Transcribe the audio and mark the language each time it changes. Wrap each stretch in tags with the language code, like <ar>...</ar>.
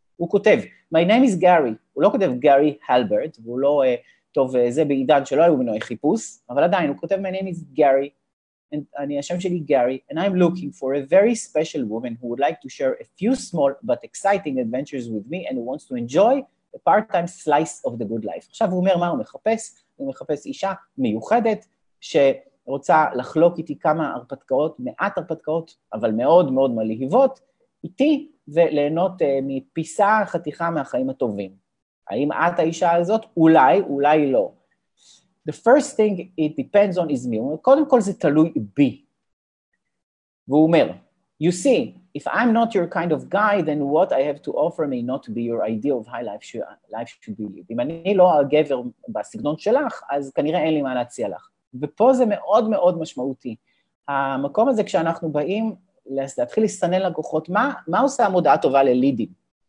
<he>הוא כותב,</he> <en>My name is Gary,</en> <he>הוא לא כותב גארי הלברט, והוא לא, טוב, זה בעידן שלא היו מנועי חיפוש, אבל עדיין, הוא כותב,</he> <en>My name is Gary, and</en> <he>אני, השם שלי גארי,</he> <en>and I'm looking for a very special woman who would like to share a few small but exciting adventures with me, and who wants to enjoy a part-time slice of the good life.</en> <he>עכשיו הוא אומר מה הוא מחפש, הוא מחפש אישה מיוחדת, שרוצה לחלוק איתי כמה הרפתקאות, מעט הרפתקאות, אבל מאוד מאוד מלהיבות, איתי, וליהנות מפיסה חתיכה מהחיים הטובים. האם את האישה הזאת? אולי, אולי לא.</he> <en>The first thing it depends on is me.</en> <he>הוא אומר, קודם כל זה תלוי בי. והוא אומר,</he> <en>you see, if I'm not your kind of guy, then what I have to offer may not be your idea of how life should be lived.</en> <he>אם אני לא הגבר בסגנון שלך, אז כנראה אין לי מה להציע לך. ופה זה מאוד מאוד משמעותי. המקום הזה כשאנחנו באים להתחיל לסנן לקוחות, מה עושה המודעה טובה ללידים?</he>